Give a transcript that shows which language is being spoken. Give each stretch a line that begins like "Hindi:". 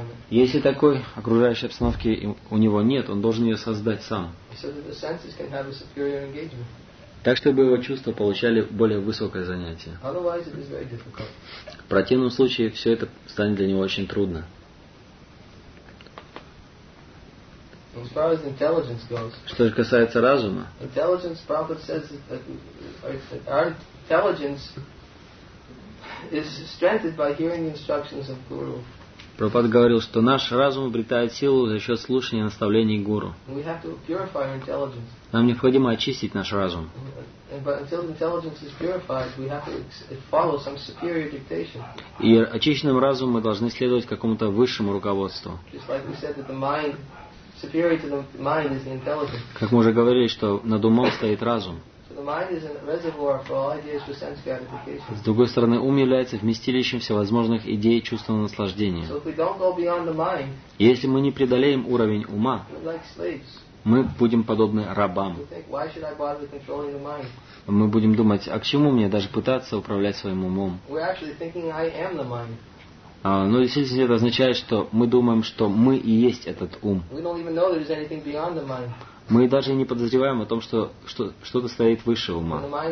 Russian: Если такой окружающей обстановки у него нет, он должен ее создать сам.
English: So that the senses can have a superior engagement.
Russian: Так, чтобы его чувства получали более высокое занятие.
English: Otherwise, it is very difficult.
Russian: В противном случае все это станет для него очень трудно.
English: As far as intelligence goes,
Russian: что же касается разума,
English: intelligence, Prabhupada says that our intelligence is strengthened by hearing the instructions of Guru.
Russian: Прабхупада говорил, что наш разум обретает силу за счет слушания наставлений Гуру.
English: We have to purify our intelligence.
Russian: Нам необходимо очистить наш разум.
English: But until intelligence is purified, we have to follow some superior dictation.
Russian: И очищенным разумом мы должны следовать какому-то высшему руководству.
English: Just like we said that the mind, superior to the mind is the intelligence.
Russian: Как мы уже говорили, что над умом стоит разум.
English: The mind is a reservoir for all ideas for sense gratification.
Russian: С другой стороны, ум является вместилищем всевозможных идей чувственного наслаждения.
English: So if we don't go beyond the mind,
Russian: если мы не преодолеем уровень ума,
English: like slaves,
Russian: мы будем подобны рабам.
English: Think, why should I bother controlling the mind?
Russian: Мы будем думать, а к чему мне даже пытаться управлять своим умом?
English: We're actually thinking I am the mind.
Russian: Но действительно это означает, что мы думаем, что мы и есть этот ум.
English: We don't even know there's anything beyond the mind.
Russian: Мы даже не подозреваем о том, что что-то стоит выше ума.